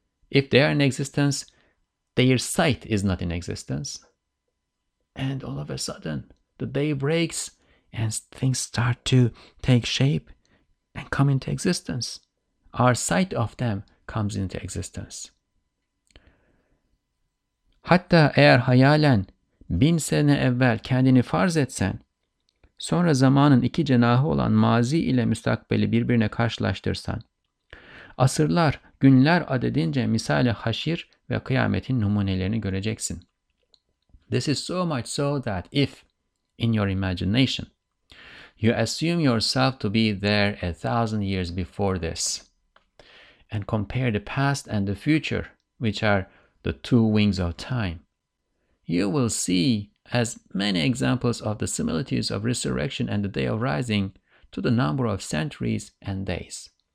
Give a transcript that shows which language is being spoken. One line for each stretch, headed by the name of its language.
English: If they are in existence, their sight is not in existence. And all of a sudden, the day breaks and things start to take shape and come into existence. Our sight of them comes into existence.
Turkish: Hatta eğer hayalen bin sene evvel kendini farz etsen, sonra zamanın iki cenahı olan mazi ile müstakbeli birbirine karşılaştırsan, asırlar, günler adedince misali haşir ve kıyametin numunelerini göreceksin.
English: This is so much so that if, in your imagination, you assume yourself to be there 1,000 years before this, and compare the past and the future, which are the two wings of time, you will see as many examples of the similitudes of resurrection and the day of rising to the number of centuries and days.